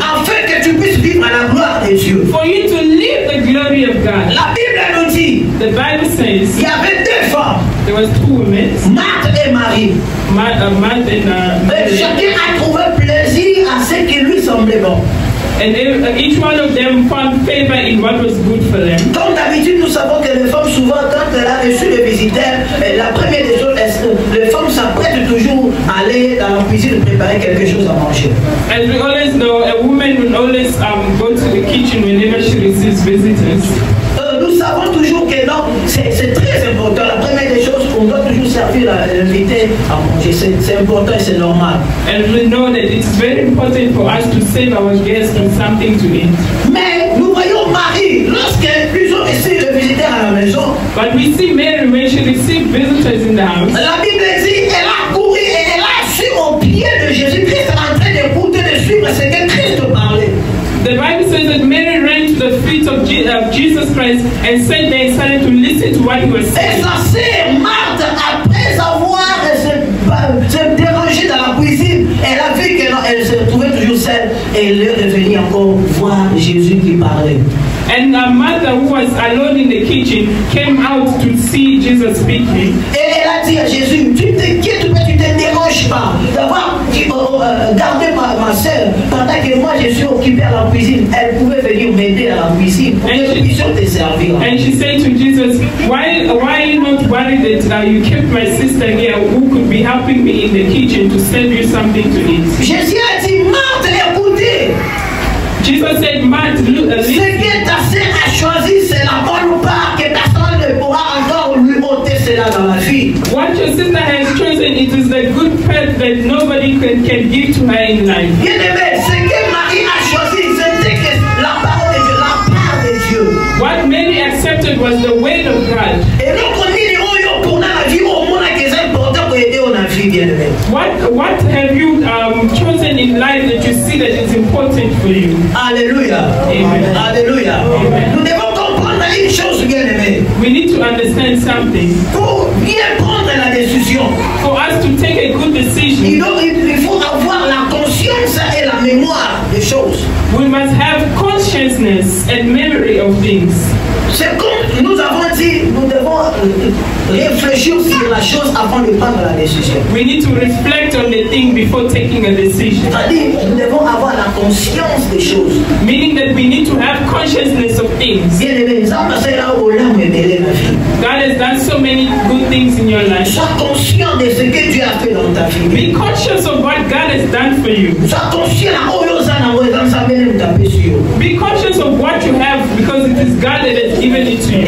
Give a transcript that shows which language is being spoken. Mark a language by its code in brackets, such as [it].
[fr] Afin que tu puisses vivre la gloire de Dieu. [en] For you to live the glory of God. [fr] La Bible nous dit. [en] The Bible says. [fr] Il y avait deux femmes. [en] There was two women. [fr] Marthe et Marie. Marthe et Marie. Chacun a trouvé plaisir à ce qui lui semblait bon. [en] And each one of them found favor in what was good for them. [fr] Comme d'habitude, nous savons que les femmes souvent, quand elles ont reçu les visiteurs, la première des choses, les femmes s'apprêtent toujours à aller dans la cuisine préparer quelque chose à manger. [en] As we always know, a woman will always go to the kitchen whenever she receives visitors. [fr] Nous savons toujours que non, c'est très important. La première des choses, on doit toujours servir l'invité à manger. C'est important et c'est normal. [en] And we know that it's very important for us to serve our guests with something to eat. [fr] Mais nous voyons Marie lorsque ils ont reçu le visiteur à la maison. [en] But we see Mary when she received visitors in the house. [fr] La Bible dit, elle a couru et elle a su au pied de Jésus-Christ en train d'écouter, de suivre ce que Christ parlait. [en] The Bible says that Mary ran to the feet of Jesus Christ and sat there and started to listen to what he was saying. [fr] Et ça c'est Marthe, après avoir se dérangé dans la cuisine, elle a vu qu'elle se trouvait toujours seule et elle est revenue encore voir Jésus qui parlait. [en] And a mother who was alone in the kitchen came out to see Jesus speaking. [fr] Et elle a dit à Jésus, tu t'inquiètes pas, tu te déranges pas d'avoir gardé ma soeur pendant que moi je suis occupée à la cuisine. Elle pouvait venir m'aider à la cuisine pour que je puisse te servir. [en] And she said to Jesus, why are you not worried that you kept my sister here who could be helping me in the kitchen to serve you something to eat? [fr] Jésus a dit, Marthe, écoutez. [en] Jesus said, Marthe, look at this. [fr] Ce que ta sœur a choisi, c'est la bonne part que ta sœur ne pourra encore lui ôter cela dans la vie. [en] What your sister has chosen, it is the good part that nobody can give to her in life. [fr] Bien-aimé, ce que Marie a choisi, c'était que la parole de Dieu, la part de Dieu. [en] What Mary accepted was the word of God. [fr] Et donc, on dit, oh, yo, pour la vie, au monde, c'est important pour aider la vie, bien-aimé. [en] What have you chosen in life that you see that is important for you? [fr] Alléluia. Amen. Alléluia. Amen. Nous devons comprendre une chose, bien-aimé. [en] We need to understand something. [fr] Pour bien prendre la décision. [en] For us to take a good decision. [fr] Il faut avoir la conscience et la mémoire des choses. [en] We must have consciousness and memory of things. [fr] C'est comme nous avons dit, nous devons réfléchir sur la chose avant de prendre la décision. [en] We need to reflect on the thing before taking a decision. [fr] C'est-à-dire, nous devons avoir la conscience des choses. [en] Meaning that we need to have consciousness of things. God has done so many good things in your life. [fr] Sois conscient de ce que Dieu a fait dans ta vie. [en] Be conscious of what God has done for you. [fr] Sois conscient de ce que Dieu a fait dans ta vie. [en] Be conscious of what you have because it is God that has given it to you.